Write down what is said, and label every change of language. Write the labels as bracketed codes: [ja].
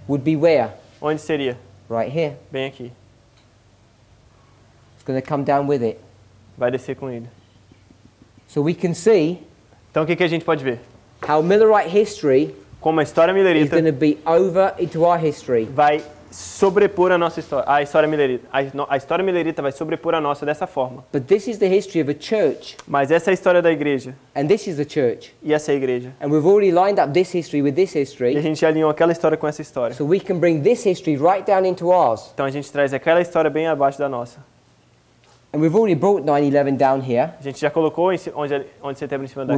[en] Would be where? [pt] Onde seria? [en] Right here. [pt] Bem aqui. [en] It's going to come down with it. [pt] Vai descer com ele. [en] So we can see. [pt] Então, o que a gente pode ver? [en] How Millerite history, [pt] como a história millerita, [en] is going to be over into our history. [pt] Vai sobrepor a nossa história, a história millerita. A história millerita vai sobrepor a nossa dessa forma. [en] But this is the history of a church. [pt] Mas essa é a história da igreja. [en] And this is the church. [pt] E essa é a igreja. [en] And we've already lined up this history with this history. [pt] E a gente alinhou aquela história com essa história. [en] So we can bring this history right down into ours. [pt] Então, a gente traz aquela história bem abaixo da nossa. [en] And we've already brought 9-11 down here. [pt] A gente já colocou onde setembro em cima daquele.